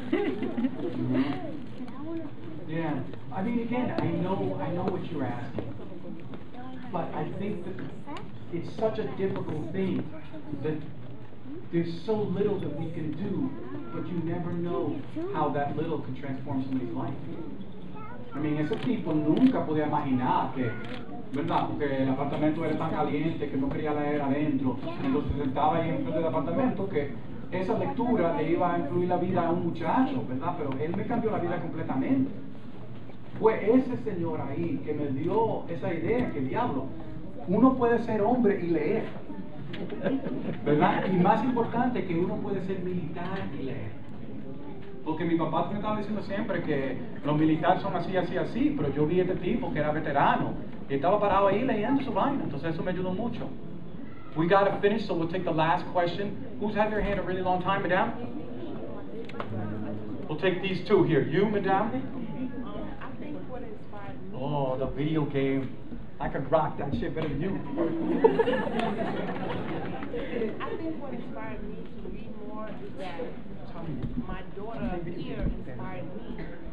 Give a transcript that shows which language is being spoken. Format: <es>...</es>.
<en>Mm-hmm. Yeah, I mean, again, I know what you're asking, but I think that it's such a difficult thing that there's so little that we can do, but you never know how that little can transform somebody's life. I mean,</en> <es>esos tipos nunca podían imaginar que, ¿verdad? Porque el apartamento era tan caliente que no quería leer adentro. Entonces sentaba ahí enfrente del apartamento que esa lectura le iba a influir la vida a un muchacho, ¿verdad? Pero él me cambió la vida completamente. Fue ese señor ahí que me dio esa idea, que diablo, uno puede ser hombre y leer, ¿verdad? Y más importante, que uno puede ser militar y leer. Porque mi papá me estaba diciendo siempre que los militares son así, así, así, pero yo vi a este tipo que era veterano y estaba parado ahí leyendo su vaina, entonces eso me ayudó mucho.</es> <en>We gotta finish, so we'll take the last question. Who's had their hand a really long time, madame? We'll take these two here. You, madame? I think what inspired me. Oh, the video game. I could rock that shit better than you. I think what inspired me to read more is that talking about the my daughter here inspired better.</en>